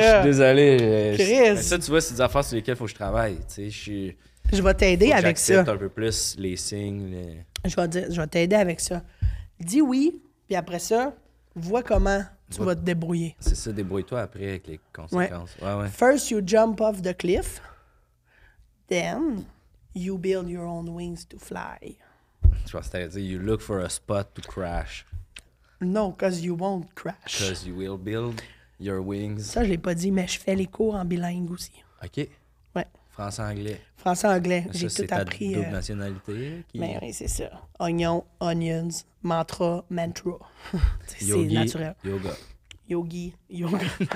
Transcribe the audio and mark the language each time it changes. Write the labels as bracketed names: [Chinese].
[French] Je suis désolé. Chris. Ça, tu vois, c'est des affaires sur lesquelles il faut que je travaille, tu sais. Je vais t'aider avec ça. Un peu plus les signes. Les... Je vais t'aider avec ça. Dis oui, puis après ça... Vois comment. tu vas te débrouiller. C'est ça, débrouille-toi après avec les conséquences. Ouais. Ouais, ouais. [English] First, you jump off the cliff. Then, you build your own wings to fly. [French] Tu vois, c'est-à-dire, [English] you look for a spot to crash. No, because you won't crash. Because you will build your wings. [French] Ça, je l'ai pas dit, mais je fais les cours en bilingue aussi. OK. Ouais. Français-anglais. Français-anglais. J'ai ça, tout appris. C'est ta double nationalité. Qui... Mais oui, c'est ça. Oignon, onions, mantra, mantra. C'est yogi, naturel. Yoga. Yogi, yoga.